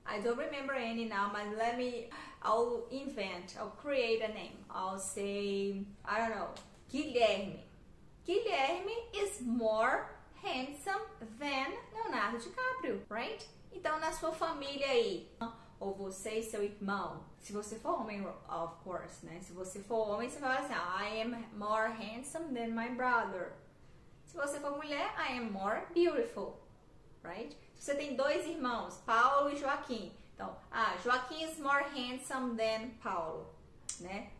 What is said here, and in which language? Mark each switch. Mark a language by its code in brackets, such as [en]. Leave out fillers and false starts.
[en] I don't remember any now, but I'll create a name. I'll say, I don't know, Guilherme. Guilherme is more handsome than Leonardo DiCaprio, right? [pt] Então, na sua família aí, ou você e seu irmão, se você for homem, [en] of course, [pt] né? Se você for homem, você fala assim, [en] I am more handsome than my brother. [pt] Se você for mulher, [en] I am more beautiful, right? [pt] Se você tem dois irmãos, Paulo e Joaquim. [en] Então, Joaquim is more handsome than Paulo, né?